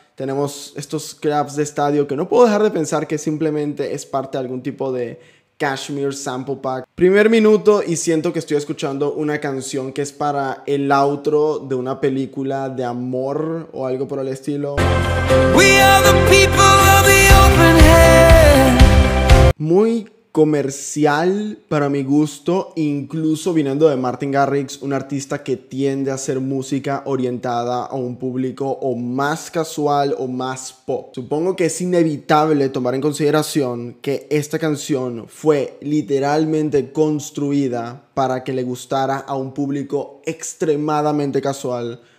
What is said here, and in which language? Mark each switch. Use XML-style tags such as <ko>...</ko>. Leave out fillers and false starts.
<es>Tenemos estos claps de estadio que no puedo dejar de pensar que simplemente es parte de algún tipo de Kashmir sample pack. Primer minuto y siento que estoy escuchando una canción que es para el outro de una película de amor o algo por el estilo.</es> <en>We are the people of the open hand.</en> <es>Muy comercial para mi gusto, incluso viniendo de Martin Garrix, un artista que tiende a hacer música orientada a un público o más casual o más pop. Supongo que es inevitable tomar en consideración que esta canción fue literalmente construida para que le gustara a un público extremadamente casual.</es>